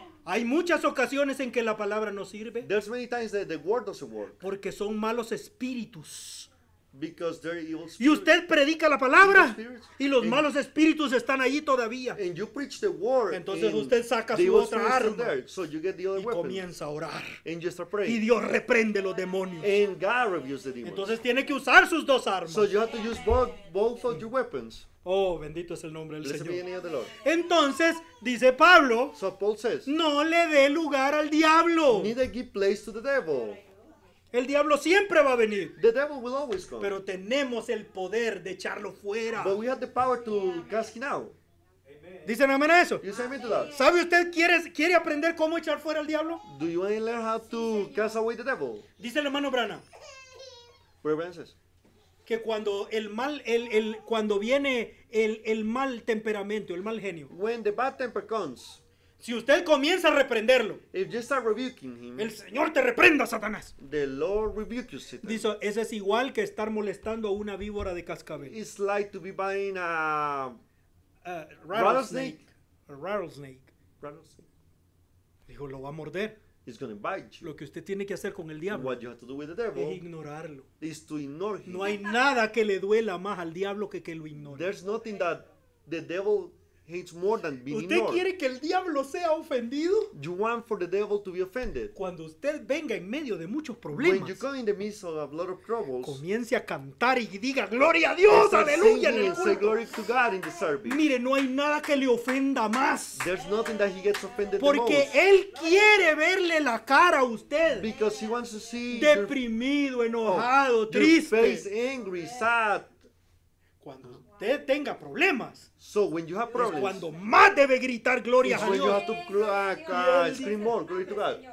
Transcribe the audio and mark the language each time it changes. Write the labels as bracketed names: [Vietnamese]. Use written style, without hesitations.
[Spanish] hay muchas ocasiones en que la palabra no sirve. [English] There's many times that the word doesn't work. [Spanish] Porque son malos espíritus. [English] Because they're evil spirits. [Spanish] Y usted predica la palabra. Y los and malos espíritus están ahí todavía. [English] And you preach the word. [Spanish] Entonces usted saca su otra arma. [English] So you get the other [Spanish] y [English] weapon. [Spanish] Comienza a orar. [English] And you start praying. [Spanish] Y Dios reprende los demonios. [English] And God rebukes the demons. [Spanish] Entonces tiene que usar sus dos armas. [English] So you have to use both of your weapons. [Spanish] Oh, bendito es el nombre del [English] Blessed [Spanish] Señor. [English] Be the name of the Lord. [Spanish] Entonces, dice Pablo, [English] so Paul says, [Spanish] no le dé lugar al diablo. [English] Neither give place to the devil. [Spanish] El diablo siempre va a venir. [English] The devil will always come. [Spanish] Pero tenemos el poder de echarlo fuera. [English] But we have the power to cast him out. [Spanish] ¿Dicen amén a eso? [English] You say amen to that. [Spanish] ¿Sabe usted quiere aprender cómo echar fuera al diablo? [English] Do you want to learn how to cast away the devil? [Spanish] Dice el hermano Branham. [English] Brian says. [Spanish] Que cuando el mal, cuando viene el mal temperamento, el mal genio. [English] When the bad temper comes. [Spanish] Si usted comienza a reprenderlo. [English] If you start rebuking him. [Spanish] El Señor te reprenda, Satanás. [English] The Lord rebuke you, Satan. [Spanish] Dice, ese es igual que estar molestando a una víbora de cascabel. [English] It's like to be buying a rattlesnake. Rattlesnake. [Spanish] Dijo, lo va a morder. [English] He's going to bite you. [Spanish] Lo que usted tiene que hacer con el diablo. [English] What you have to do with the devil. [Spanish] Es ignorarlo. [English] Is to ignore him. [Spanish] No hay nada que le duela más al diablo que lo ignore. [English] There's nothing that the devil hates more than being [Spanish] ¿Usted [English] ignored. [Spanish] ¿Usted quiere que el diablo sea ofendido? [English] You want for the devil to be offended. [Spanish] Cuando usted venga en medio de muchos problemas. [English] When you come in the midst of a lot of troubles. [Spanish] Comience a cantar y diga gloria a Dios, aleluya. [English] Singing and say glory to God in the service. [Spanish] Mire, no hay nada que le ofenda más. [English] There's nothing that he gets offended [Spanish] Porque [English] the most. [Spanish] Él quiere verle la cara a usted. [English] Because he wants to see [Spanish] deprimido, enojado, triste. [English] Your face angry, sad. [Spanish] Cuando usted tenga problemas. [English] So when you have problems, [Spanish] es cuando más debe gritar gloria a Dios. [English] You have to scream more glory to God.